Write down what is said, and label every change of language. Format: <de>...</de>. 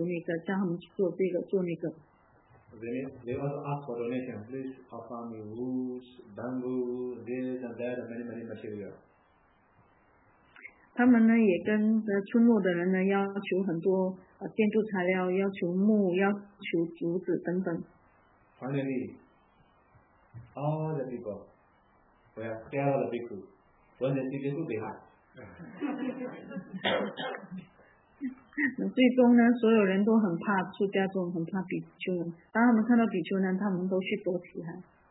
<zh>那时候呢，比丘们他们就会去村落里面找布施者，跟他们要求这个，要求那个，叫他们去做这个，做那个。</zh> <en>They also ask for donation. Please offer me woods, bamboo, this and that, many many material.</en> <zh>他们呢也跟村落的人呢要求很多建筑材料，要求木，要求竹子等等。</zh> <en>Finally, all the people were scared of the bhikkhu. When they see bhikkhu behind.</en> <zh>最终呢，所有人都很怕出家众，很怕比丘。当他们看到比丘呢，他们都去躲起来。</zh>